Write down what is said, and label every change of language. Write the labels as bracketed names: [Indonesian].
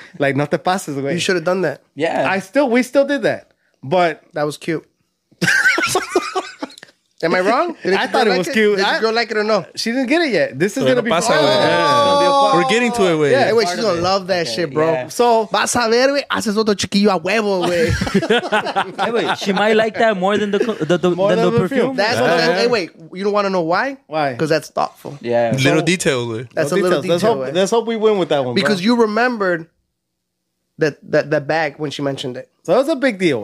[Spanish] Like, no te pases, way. [English] You should have done that. Yeah. We still did that. But. That was cute. Am I wrong? I thought it was cute. Did your girl like it or no? She didn't get it yet. This is going to be fun. Oh, yeah. We're getting to it, wait. Yeah, wait, she's going to love that shit, bro. Yeah. So, [Spanish] vas a ver, wey, haces otro chiquillo a huevo, wey. [English] Hey, wait, she might like that more than the perfume. That's what that, hey, wait, you don't want to know why? Why? Because that's thoughtful. Yeah. Little detail, wey. That's a little detail, let's hope we win with that one, bro. Because you remembered that bag when she mentioned it. So it was a big deal.